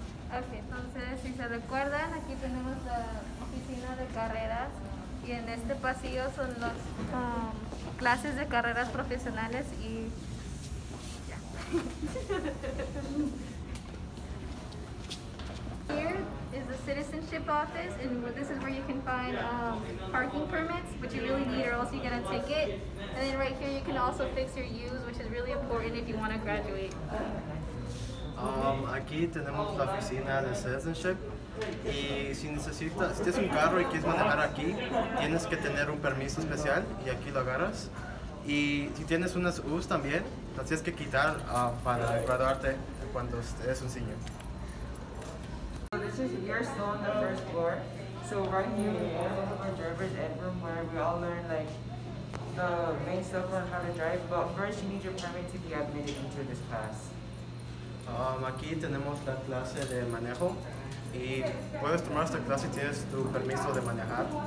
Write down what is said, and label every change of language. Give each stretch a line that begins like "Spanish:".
Spanish: Okay, entonces, si se recuerdan, aquí tenemos la oficina de carreras. Y en este pasillo son las clases de carreras profesionales y ya.
English: Here is the citizenship office, and this is where you can find parking permits, which you really need or else you get a ticket. And then right here you can also fix your U's, which is really important if you want to graduate.
Spanish: Aquí tenemos la oficina de citizenship. Y si necesitas, si tienes un carro y quieres manejar aquí, tienes que tener un permiso especial y aquí lo agarras. Y si tienes unas U's también, las tienes que quitar para graduarte cuando eres un senior.
English: So this is your store on the first floor. So right here we also have our driver's ed room where we all learn like the main stuff on how to drive, but first you need your permit to be admitted into this class.
Spanish: Aquí tenemos la clase de manejo. Y puedes tomar esta clase si tienes tu permiso de manejar.